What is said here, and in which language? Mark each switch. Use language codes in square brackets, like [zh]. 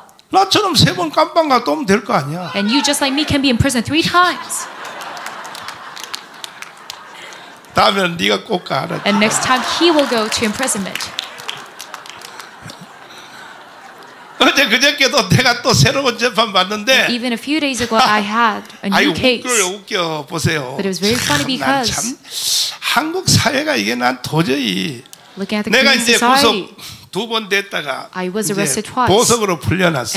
[ko] 나처럼 세 번 감방 갔다 오면 될 거 아니야. [en] And you just like me can be in prison three times. [ko] 다음에는 네가 꼭 가. [en] And next time he will go to imprisonment. [ko] 어제 그저께도 내가 또 새로운 재판 받는데. [en] Even a few days ago I had a new case. [ko] 웃겨요, 웃겨 보세요. [en] But it was very funny because [ko] 한국 사회가 이게 난 도저히 내가 이제 구속 두 번 됐다가 보석으로 풀려났어.